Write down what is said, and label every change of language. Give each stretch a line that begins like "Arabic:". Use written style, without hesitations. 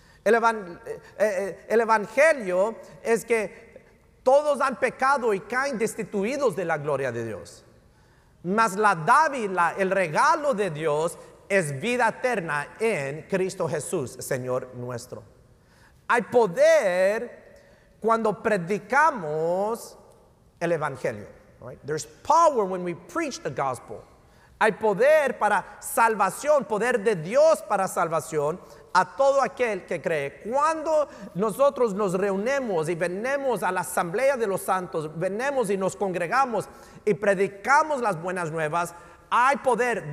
Spanish: El evangelio es que todos han pecado y caen destituidos de la gloria de Dios. Mas la dádiva, el regalo de Dios es vida eterna en Cristo Jesús, Señor nuestro. Hay poder cuando predicamos el evangelio, right?
English: There's power when we preach the gospel.
Spanish: Hay poder para salvación, poder de Dios para salvación a todo aquel que cree. Cuando nosotros nos reunimos y venimos a la asamblea de los santos, venimos y nos congregamos y predicamos las buenas nuevas, hay poder.